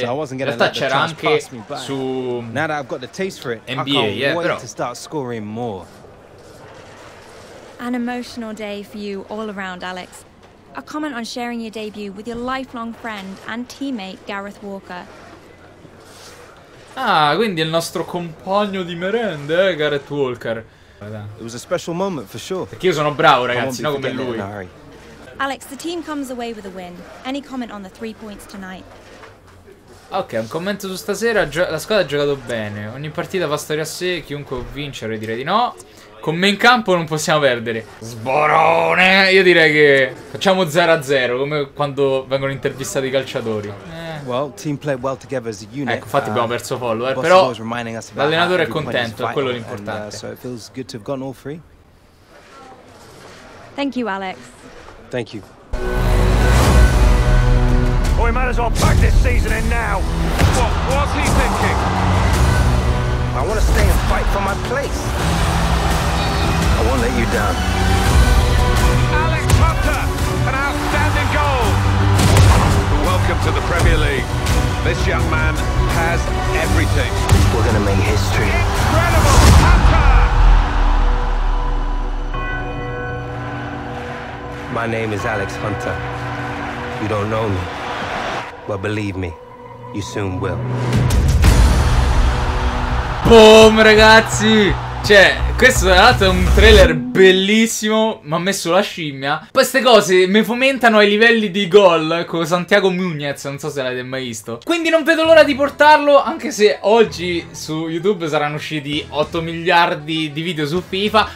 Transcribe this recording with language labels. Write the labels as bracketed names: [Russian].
[Italian] In realtà c'era anche su NBA, però. [English] An emotional day for you all around, Alex. A comment on sharing your debut with your lifelong friend and teammate Gareth Walker. [Italian] Ah, quindi è il nostro compagno di merende, Gareth Walker. [English] It was a special moment for sure. [Italian] Perché io sono bravo, ragazzi, no, come lui. [English] Alex, the team comes away with a win. Any comment on the 3 points tonight? [Italian] Ok, un commento su stasera. La squadra ha giocato bene. Ogni partita fa storia a sé. Chiunque vincere direi di no. Con me in campo non possiamo perdere. Sborone! Io direi che facciamo 0-0, come quando vengono intervistati i calciatori. [English] Well, team played well together as a unit. [Italian] Ecco, infatti abbiamo perso follower. Però l'allenatore è contento, è quello l'importante. [English] So it feels good to have gotten all three. Thank you, Alex. Thank you. Oh, he might as well pack this season in now. What's he thinking? I want to stay and fight for my place. I won't let you down. Alex Potter, an outstanding goal. Welcome to the Premier League. This young man has everything. We're going to make history. Incredible. My name is Alex Hunter. You don't know me, but believe me, you soon will. [Italian] Boom, ragazzi! Cioè, questo tra l'altro è un trailer bellissimo, mi ha messo la scimmia. Queste cose mi fomentano ai livelli di gol con Santiago Muñez, non so se l'avete mai visto. Quindi non vedo l'ora di portarlo, anche se oggi su YouTube saranno usciti 8 miliardi di video su FIFA.